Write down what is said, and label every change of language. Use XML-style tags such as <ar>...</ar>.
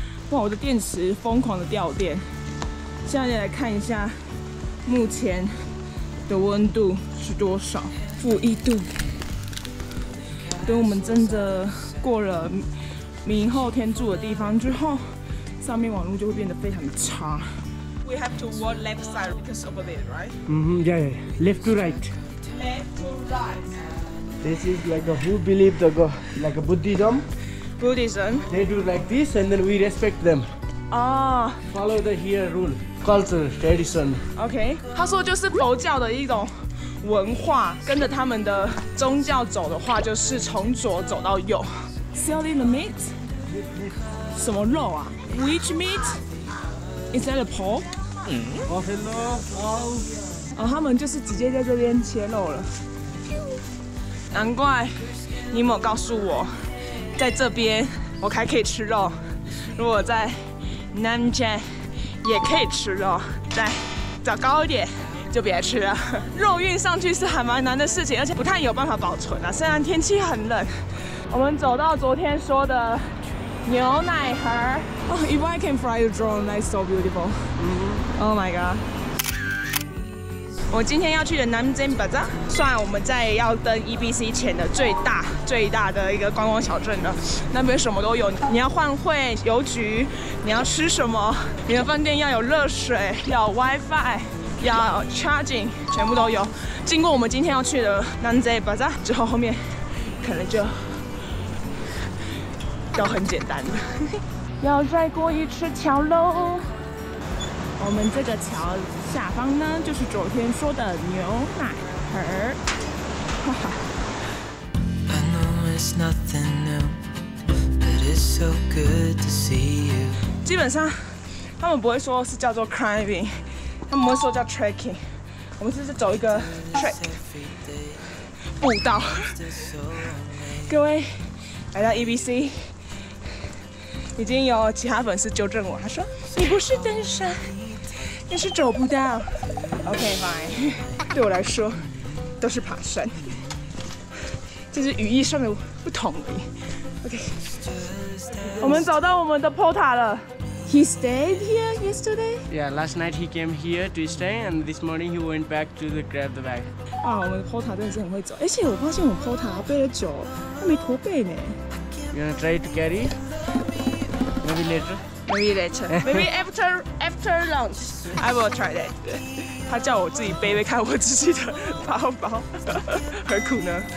<zh>哇，我的电池疯狂的掉电，现在来看一下目前的温度是多少，-1°。等我们真的过了明后天住的地方之后，上面网络就会变得非常差。</zh> <en>We have to walk left side because over there, right? Mm-hmm, yeah, yeah. Left to right. Left to right. This is like a who believe the God, like a Buddhism. Buddhism. They do like this, and then we respect them. Ah. Follow the here rule, culture, tradition. Okay.</en> <zh>他说就是佛教的一种文化，跟着他们的宗教走的话，就是从左走到右。</zh> <en>Selling the meat，什么肉啊？Which meat？ Is that a pork？嗯 ，Oh hello，</en> <zh>哦，他们就是直接在这边切肉了。难怪尼莫告诉我，在这边我还可以吃肉。如果在南站也可以吃肉，再找高一点。就别吃了，肉运上去是还蛮难的事情，而且不太有办法保存啊。虽然天气很冷，我们走到昨天说的牛奶盒。</zh> <en>Oh, if I can fly the drone, that's so beautiful. Oh my god！</en> <zh>我今天要去的Namzi Bazaar，算我们在要登 EBC 前的最大最大的一个观光小镇了。那边什么都有，你要换汇、邮局，你要吃什么，你的饭店要有热水，要 WiFi。要 charging， 全部都有。经过我们今天要去的 Namzi Bazaar 之后，后面可能就都很简单了。要再过一次桥喽。我们这个桥下方呢，就是昨天说的牛奶盒。哈哈。</zh> <en>I know it's nothing new, but it's so good to see you.</en> <zh>基本上，他们不会说是叫做 climbing。他们会说叫 trekking， 我们就是走一个 trek 步道。各位来到 EBC， 已经有其他粉丝纠正我，他说你不是登山，你是走步道。 OK fine，对我来说都是爬山，这是语义上的不同而已。 OK， 我们找到我们的 Porta 了。</zh> <en>He stayed here yesterday? Yeah, last night he came here to stay and this morning he went back to the grab the bag.</en> <zh>啊，我们 Porta 真的是很会走，而且我发现我 Porta 背了酒，他没驼背呢。</zh> <en>You wanna try to carry? Maybe later. Maybe later. Maybe after lunch. I will try that.</en> <zh>他叫我自己背背看我自己的包包，何苦呢？</zh>